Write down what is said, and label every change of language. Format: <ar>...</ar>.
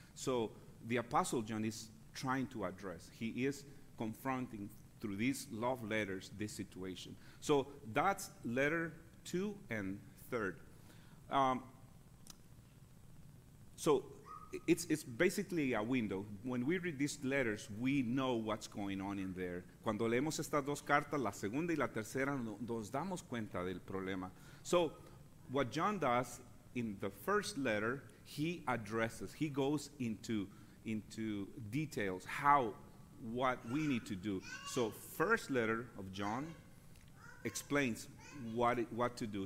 <en>So the Apostle John is trying to address. He is confronting through these love letters this situation. So that's letter 2 and 3. So it's basically a window. When we read these letters, we know what's going on in there.</en> <es>Cuando leemos estas dos cartas, la segunda y la tercera, nos damos cuenta del problema.</es> <en>So what John does in the first letter, he goes into details what we need to do. So first letter of John explains what to do.</en>